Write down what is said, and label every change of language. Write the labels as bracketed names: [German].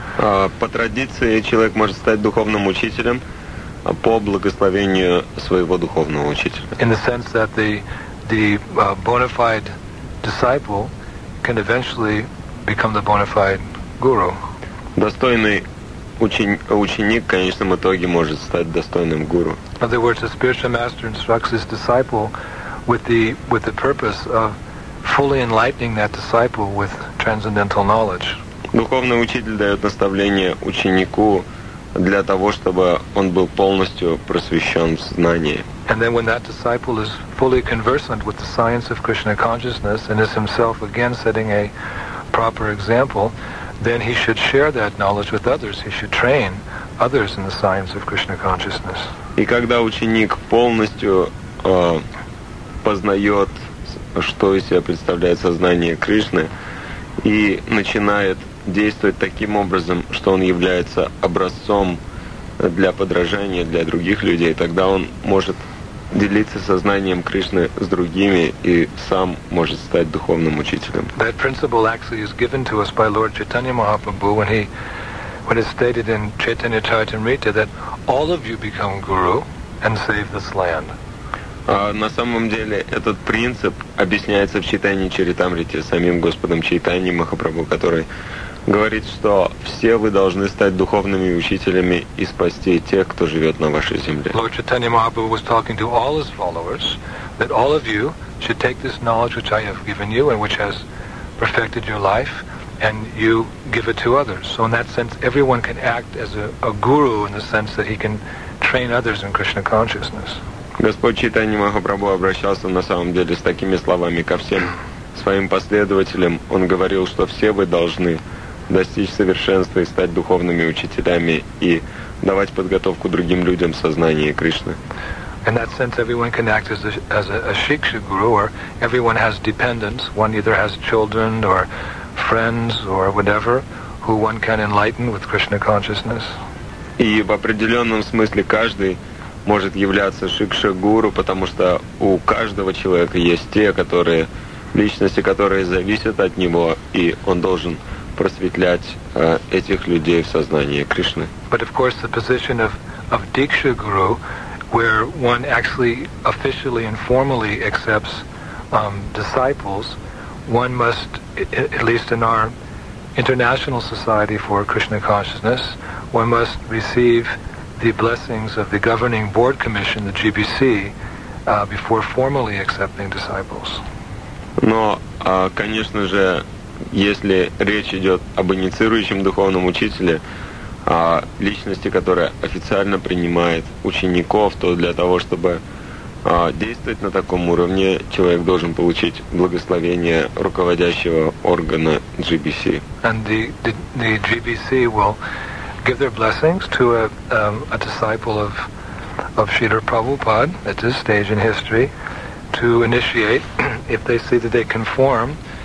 [Russian] По традиции человек может стать духовным учителем по благословению своего духовного учителя. [English] In the sense that the bona fide disciple can eventually become the bona fide guru. [Russian] Достойный ученик в конечном итоге может стать достойным гуру. [English] In other words, the spiritual master instructs his disciple with the purpose of fully enlightening that disciple with transcendental knowledge. [Russian] Духовный учитель дает наставление ученику для того, чтобы он был полностью просвещен в знании. [English] And then when that disciple is fully conversant with the science of Krishna consciousness and is himself again setting a proper example, then he should share that knowledge with others. He should train others in the science of Krishna consciousness. [Russian] И когда ученик полностью познает, что из себя представляет сознание Кришны, и начинает действовать таким образом, что он является образцом для подражания для других людей, тогда он может делиться сознанием Кришны с другими и сам может стать духовным учителем. [English] That principle actually is given to us by Lord Chaitanya Mahaprabhu when it's stated in Chaitanya Charitamrita that all of you become guru and save this land. [Russian] На самом деле этот принцип объясняется в Чайтанье Чаритамрите самим Господом Чайтанье Махапрабху, который говорит, что все вы должны стать духовными учителями и спасти тех, кто живет на вашей земле. [English] Lord Chaitanya Mahaprabhu was talking to all his followers that all of you should take this knowledge which I have given you and which has perfected your life and you give it to others. So in that sense, everyone can act as a guru in the sense that he can train others in Krishna consciousness. [Russian] Господь Чайтанья Махапрабху обращался на самом деле с такими словами ко всем своим последователям. Он говорил, что все вы должны достичь совершенства и стать духовными учителями и давать подготовку другим людям в сознании Кришны. [English] In that sense, everyone can act as a shiksha guru, or everyone has dependents. One either has children or friends or whatever who one can enlighten with Krishna consciousness. [Russian] И в определенном смысле каждый может являться шикша гуру, потому что у каждого человека есть те, которые личности, которые зависят от него, и он должен просветлять этих людей в сознании Кришны. [English] But of course the position of Diksha Guru, where one actually officially and formally accepts disciples, one must, at least in our International Society for Krishna Consciousness, one must receive the blessings of the Governing Board Commission, the GBC, before formally accepting disciples. [Russian] Но, конечно же, если речь идет об инициирующем духовном учителе, личности, которая официально принимает учеников, то для того, чтобы действовать на таком уровне, человек должен получить благословение руководящего органа GBC. [English] And the GBC will give their blessings to a disciple of Śrīla Prabhupāda at this stage in history to initiate, if they see that they conform